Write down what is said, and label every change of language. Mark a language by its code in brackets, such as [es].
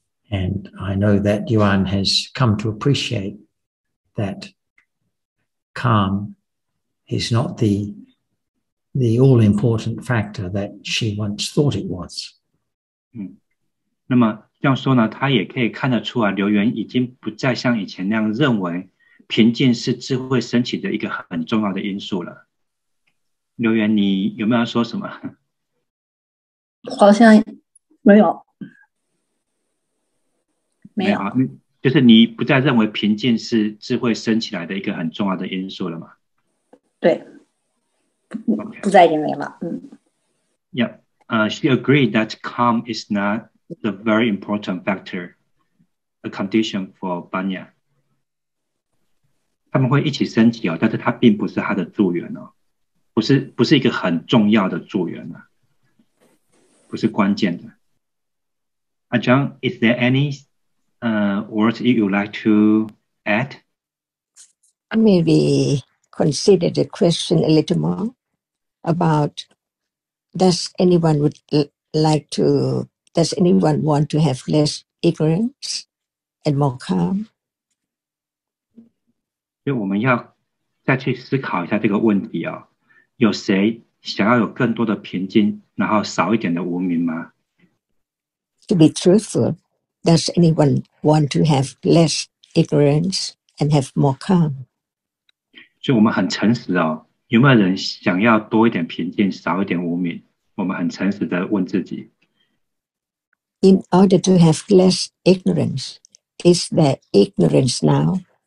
[en] And I know that Yuan has come to appreciate that. Calm is not the all-important factor that she once thought it was. [zh] 那么这样说呢，他也可以看得出啊，刘元已经不再像以前那样认为平静是智慧升起的一个很重要的因素了。刘元，你有没有要说什么？好像没有，没有。就是你不再认为平静是智慧升起来的一个很重要的因素了吗？对， [en] okay. [zh] 不再认为了。 [en] She agreed that calm is not the very important factor, a condition for banya. [zh] 他们会一起升起哦，但是它并不是他的助缘哦，不是一个很重要的助缘啊，不是关键的。 [en] Ajahn, is there any words you would like to add? Maybe consider the question a little more about, does anyone want to have less ignorance and more calm? [zh] 所以我们要再去思考一下这个问题啊， 有谁想要有更多的平静，然后少一点的无明吗？ [en] To be truthful, does anyone want to have less ignorance and have more calm? [zh] 所以我们很诚实哦， 有没有人想要多一点平静，少一点无明？我们很诚实地问自己。 [en] In order to have less ignorance, is there ignorance now?